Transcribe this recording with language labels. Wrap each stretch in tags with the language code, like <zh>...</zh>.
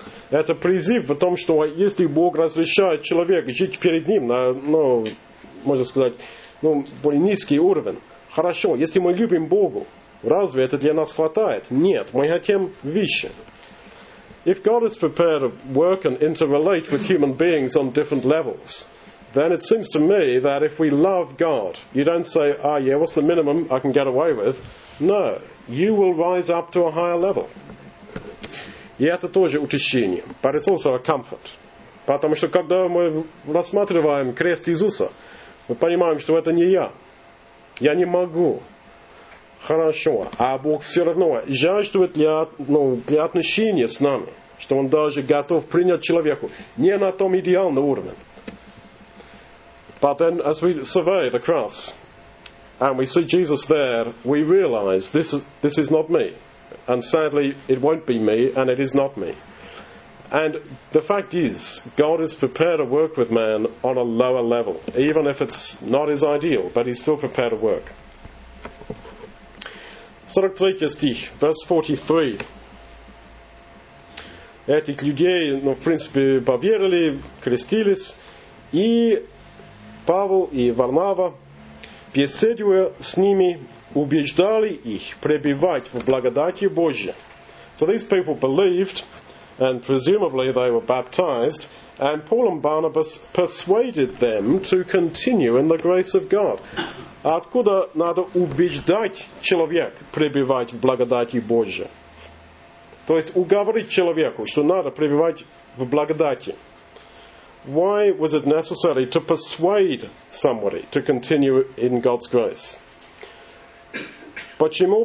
<ru>Это призыв в том, что если Бог разрешает человеку жить перед Ним на, ну, можно сказать, ну, более низкий уровень, хорошо, если мы любим Бога, разве это для нас хватает? Нет, мы хотим выше.</ru> <en>If God is prepared to work and interrelate with human beings on different levels, then it seems to me that if we love God, you don't say, ah, yeah, what's the minimum I can get away with? No, you will rise up to a higher level.</en> <ru>И это тоже утешение,</ru> <en>but it's also a comfort.</en> <ru>Потому что когда мы рассматриваем крест Иисуса, мы понимаем, что это не я. Я не могу. Хорошо, а Бог все равно жаждует для, ну, для отношения с нами, что Он даже готов принять человеку не на том идеальном уровне.</ru> <en>But then, as we survey the cross, and we see Jesus there, we realize this is not me. And sadly, it won't be me, and it is not me. And the fact is, God is prepared to work with man on a lower level, even if it's not his ideal, but he's still prepared to work.</en> <ru>43 стих,</ru> <en>verse 43.</en> <ru>Этих людей, ну, в принципе, поверили, крестились. И Павел и Варнава, беседуя с ними, убеждали их пребывать в благодати Божьей.</ru> <en>So these people believed, and presumably they were baptized, and Paul and Barnabas persuaded them to continue in the grace of God.</en> <ru>Откуда надо убеждать человека пребывать в благодати Божьей? То есть уговорить человеку, что надо пребывать в благодати.</ru> <en>Why was it necessary to persuade somebody to continue in God's grace?</en> <ru>Почему?</ru>